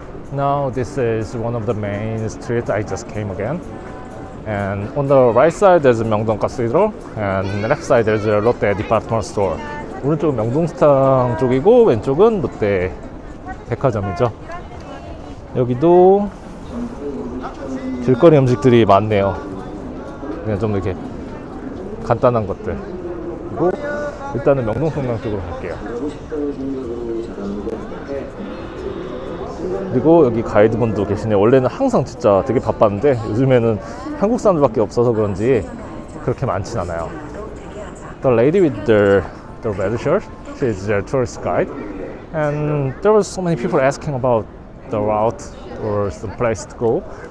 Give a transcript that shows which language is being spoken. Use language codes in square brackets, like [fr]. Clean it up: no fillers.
[en] 그리고 this is one of the main streets I just came again. And on the right side there's Myeongdong Cathedral and the left side there's a Lotte Department Store. [ko] 오른쪽은 명동시장 쪽이고 왼쪽은 롯데 백화점이죠. 여기도 길거리 음식들이 많네요. 그냥 좀 이렇게 간단한 것들. 그리고 일단은 명동성당 쪽으로 갈게요. 그리고 여기 가이드분도 계시네요. 원래는 항상 진짜 되게 바빴는데 요즘에는 한국 사람들밖에 없어서 그런지 그렇게 많진 않아요. [en] The lady with the red shirt, she is their tourist guide. And there were so many people asking about the route or some place to go.